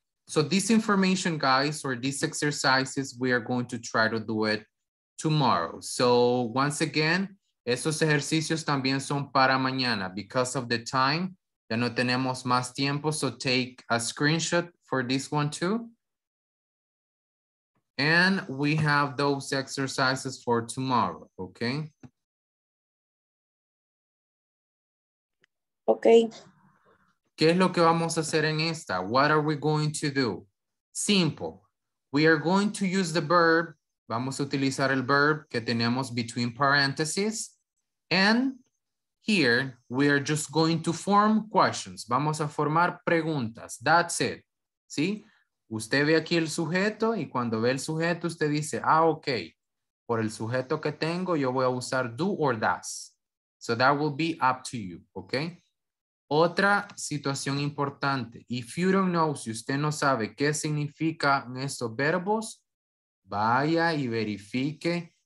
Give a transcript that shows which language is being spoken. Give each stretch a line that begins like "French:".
English: So this information, guys, or these exercises, we are going to try to do it tomorrow. So once again,
Spanish: esos ejercicios también son para mañana.
English: Because of the time,
Spanish: ya no tenemos más tiempo.
English: So take a screenshot for this one too. And we have those exercises for tomorrow, okay? Okay.
Spanish: ¿Qué es lo que vamos a hacer en esta?
English: What are we going to do? Simple. We are going to use the verb.
Spanish: Vamos a utilizar el verb que tenemos
English: between parentheses. And here, we are just going to form questions.
Spanish: Vamos a formar preguntas.
English: That's it.
Spanish: ¿Sí? Usted ve aquí el sujeto y cuando ve el sujeto, usted dice, ah, ok. Por el sujeto que tengo, yo voy a usar do or does.
English: So that will be up to you. ¿Ok?
Spanish: Otra situación importante.
English: If you don't know,
Spanish: si usted no sabe qué significan estos verbos, vaya y verifique.